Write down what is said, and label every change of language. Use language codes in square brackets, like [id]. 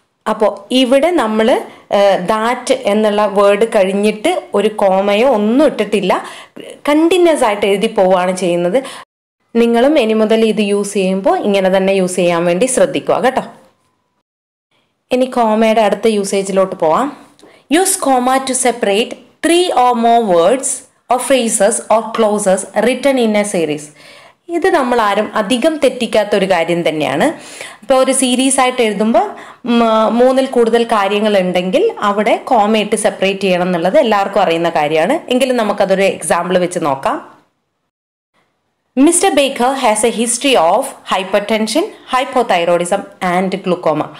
[ml] അപ്പോൾ ഇവിടെ നമ്മൾ ദാറ്റ് എന്നുള്ള വേർഡ് കഴിഞ്ഞിട്ട് ഒരു കോമയോ ഒന്നും ഇട്ടിട്ടില്ല, കണ്ടിന്യൂസ് ആയിട്ട് എഴുതി പോവുകയാണ് ചെയ്യുന്നത്. നിങ്ങളും ഇനി മുതൽ ഇത് യൂസ് ചെയ്യുമ്പോൾ ഇങ്ങനെ തന്നെ യൂസ് ചെയ്യാൻ വേണ്ടി ശ്രദ്ധിക്കുക കേട്ടോ. ഇനി കോമയുടെ അടുത്ത യൂസേജിലോട്ട് പോവാം. [en] Use comma to separate 3 or more words or phrases or clauses written in a series. [ml] ഇത് നമ്മളാരും അധികം തെറ്റിക്കാത്തൊരു കാര്യം തന്നെയാണ്. ഇപ്പോൾ ഒരു സീരീസ് ആയിട്ട് എഴുതുമ്പോൾ മൂന്നിൽ കൂടുതൽ കാര്യങ്ങളുണ്ടെങ്കിൽ അവിടെ കോമ ഇട്ട് സെപ്പറേറ്റ് ചെയ്യണം എന്നുള്ളത് എല്ലാവർക്കും അറിയുന്ന കാര്യമാണ്. എങ്കിലും നമുക്കതൊരു എക്സാമ്പിൾ വെച്ച് നോക്കാം. [en] Mister Baker has a history of hypertension, hypothyroidism and glaucoma.